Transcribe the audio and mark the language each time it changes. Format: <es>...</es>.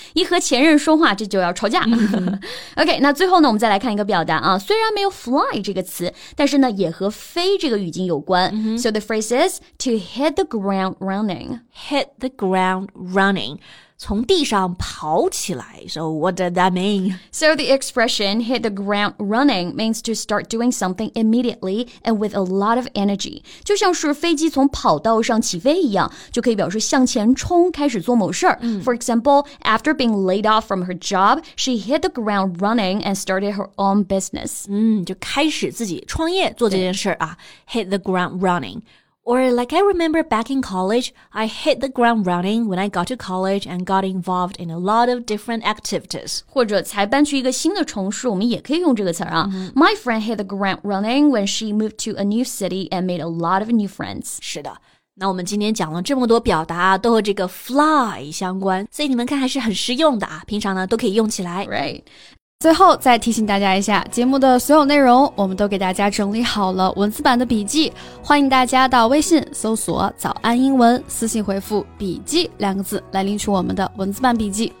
<zh>一和前任说话这就要吵架、OK, 那最后呢我们再来看一个表达啊，虽然没有 fly 这个词，但是呢也和飞这个语境有关、</zh> <en>So the phrase is to hit the ground running. Hit the ground running.</en> <zh>从地上跑起来。</zh> <en>So what does that mean? So the expression hit the ground running means to start doing something immediately and with a lot of energy.</en> <zh>就像是飞机从跑道上起飞一样，就可以表示向前冲，开始做某事儿。</zh> <en>For example, after being laid off from her job, she hit the ground running and started her own business.</en> <zh>就开始自己创业做这件事啊。</zh> <en>Hit the ground running. Or like I remember back in college, I hit the ground running when I got to college and got involved in a lot of different activities.</en> <zh>或者才搬去一个新的城市，我们也可以用这个词啊。</zh> <en>My friend hit the ground running when she moved to a new city and made a lot of new friends.</en> <zh>是的。那我们今天讲了这么多表达都和这个 fly 相关，所以你们看还是很实用的啊，平常呢都可以用起来。</zh> <en>Right.</en> <zh>最后再提醒大家一下，节目的所有内容我们都给大家整理好了文字版的笔记，欢迎大家到微信搜索早安英文，私信回复笔记两个字来领取我们的文字版笔记。</zh>